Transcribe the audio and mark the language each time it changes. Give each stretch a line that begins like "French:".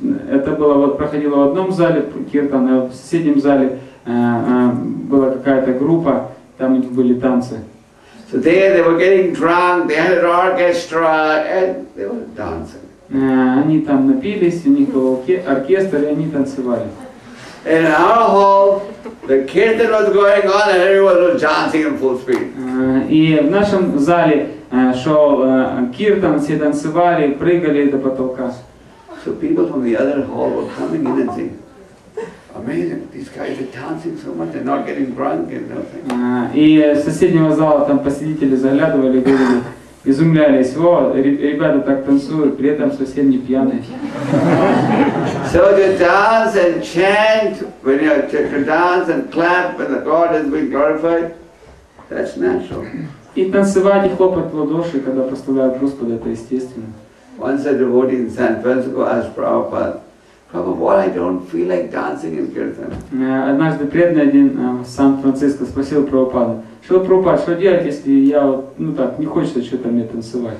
Russian: Это было вот проходило в одном зале, киртан, в соседнем зале была какая-то группа, там у них были танцы.
English: So there they were getting drunk, they had an orchestra, and they were dancing.
Russian: Они там напились, у них был оркестр, и они танцевали.
English: In our hall, the kirtan was going on, and everyone was dancing in full speed.
Russian: И в нашем зале шел киртан, все танцевали, прыгали до потолка.
English: So people from the other hall were coming in and saying, amazing. These guys are dancing so much, they're not getting drunk and nothing.
Russian: И из соседнего зала там посетители заглядывали, говорили, изумлялись, о, ребята так танцуют, при этом совсем не пьяные.
English: So you dance and chant, when you dance and clap, when the God has been glorified, that's natural.
Russian: И танцевать, и хлопать в ладоши, когда прославляют Господа, это естественно.
English: Once a devotee in San Francisco asked Prabhupada, Prabhupada, I don't feel like dancing in kirtan.
Russian: Однажды преданный один в Сан-Франциско спросил Прабхупада, что Прабхупад, что делать, если я, ну так, не хочется что-то мне танцевать?